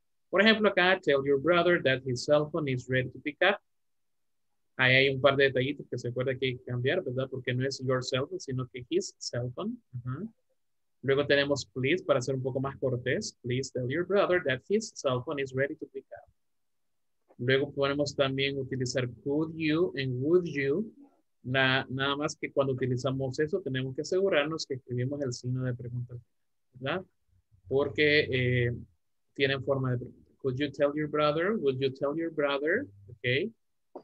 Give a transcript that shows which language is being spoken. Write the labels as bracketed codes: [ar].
[es] Por ejemplo, acá, [en] tell your brother that his cell phone is ready to pick up. [es] Ahí hay un par de detallitos que se acuerda que hay que cambiar, ¿verdad? Porque no es [en] your cell phone, [es] sino que [en] his cell phone. [es] Luego tenemos please, para ser un poco más cortés. [en] Please tell your brother that his cell phone is ready to pick up. [es] Luego podemos también utilizar could you and would you. Nada más que cuando utilizamos eso, tenemos que asegurarnos que escribimos el signo de pregunta, ¿verdad? Porque tienen forma de pregunta. [en] Could you tell your brother? Would you tell your brother? Ok.